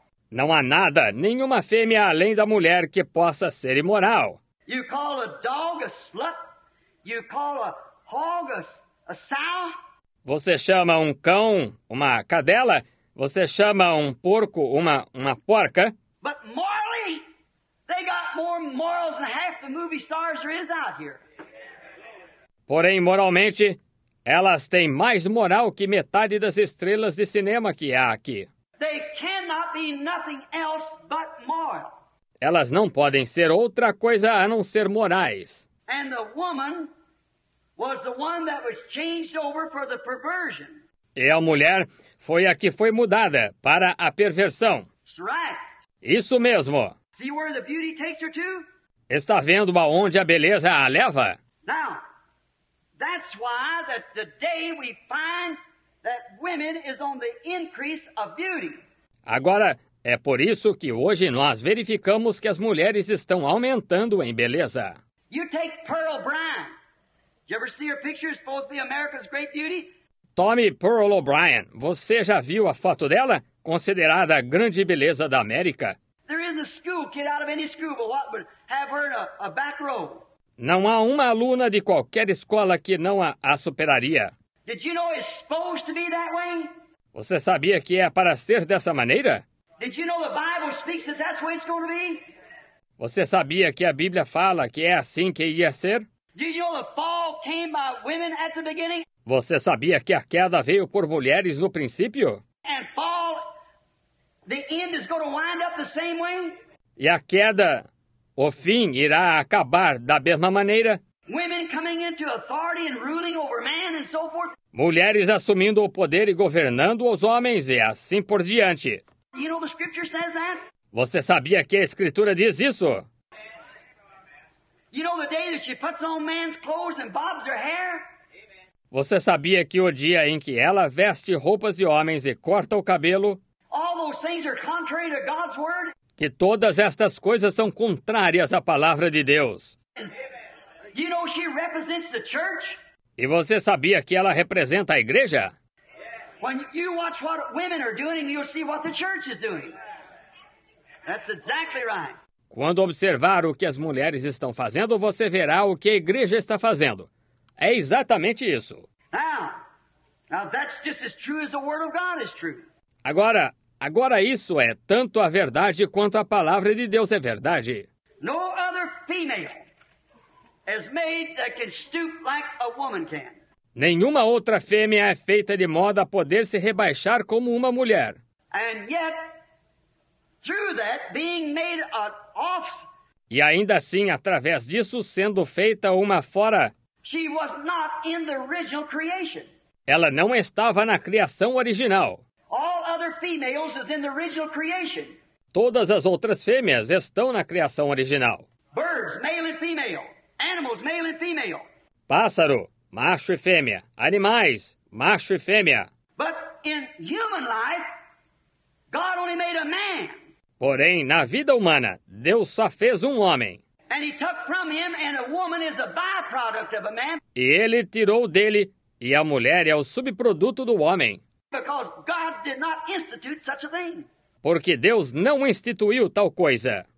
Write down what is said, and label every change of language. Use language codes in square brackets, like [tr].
[pt] Não há nada, nenhuma fêmea além da mulher que possa ser imoral. [en] You call a dog a slut? You call a hog a sow? [pt] Você chama um cão uma cadela? Você chama um porco uma porca? [en] But morally, they got more morals than half the movie stars there is out here. [pt] Porém, moralmente, elas têm mais moral que metade das estrelas de cinema que há aqui. [en] They cannot be nothing else but moral. [pt] Elas não podem ser outra coisa a não ser morais. [en] And the woman was the one that was changed over for the perversion. [pt] E a mulher foi a que foi mudada para a perversão. [en] That's right. [pt] Isso mesmo. [en] See where the beauty takes her to? [pt] Está vendo aonde a beleza a leva? [en] Now, that's why that the day we find that women is on the increase of beauty. [pt] Agora, é por isso que hoje nós verificamos que as mulheres estão aumentando em beleza. [en] You take Pearl O'Brien. You ever see her picture? It's supposed to be America's great beauty? [pt] Tommy Pearl O'Brien, você já viu a foto dela? Considerada a grande beleza da América. [en] There isn't a school kid out of any school but what would have her in a back row. [pt] Não há uma aluna de qualquer escola que não a superaria. [en] Did you know it's supposed to be that way? [pt] Você sabia que é para ser dessa maneira? [en] Did you know the Bible speaks that that's what it's going to be? [pt] Você sabia que a Bíblia fala que é assim que ia ser? [en] Did you know the fall came by women at the beginning? [pt] Você sabia que a queda veio por mulheres no princípio? [en] And fall, the end is going to wind up the same way? [pt] E a queda, o fim irá acabar da mesma maneira? [en] Women coming into authority and ruling over man and so forth. [pt] Mulheres assumindo o poder e governando os homens e assim por diante. [en] You know the scripture says that? [pt] Você sabia que a escritura diz isso? [en] You know the day that she puts on man's clothes and bobs her hair? [pt] Você sabia que o dia em que ela veste roupas de homens e corta o cabelo? [en] All those things are contrary to God's word? [pt] Que todas estas coisas são contrárias à palavra de Deus. [en] You know she represents the church? [pt] E você sabia que ela representa a igreja? [en] When you watch what women are doing, you'll see what the church is doing. That's exactly right. [pt] Quando observar o que as mulheres estão fazendo, você verá o que a igreja está fazendo. É exatamente isso. [en] Now that's just as true as the word of God is true. [pt] Agora isso é tanto a verdade quanto a palavra de Deus é verdade. [en] No other female is made that can stoop like a woman can. [pt] Nenhuma outra fêmea é feita de modo a poder se rebaixar como uma mulher. [en] And yet, through that, being made an offspring. [pt] E ainda assim, através disso, sendo feita uma fora. [en] She was not in the original creation. [pt] Ela não estava na criação original. [en] All other females is in the original creation. [pt] Todas as outras fêmeas estão na criação original. [en] Birds, male and female. Animals, male and female. [pt] Pássaro, macho e fêmea. Animais, macho e fêmea. [en] But in human life, God only made a man. [pt] Porém, na vida humana, Deus só fez um homem. [en] And he took from him, and a woman is a byproduct of a man. [pt] E ele tirou dele, e a mulher é o subproduto do homem. [en] Because God did not institute such a thing. [pt] Porque Deus não instituiu tal coisa.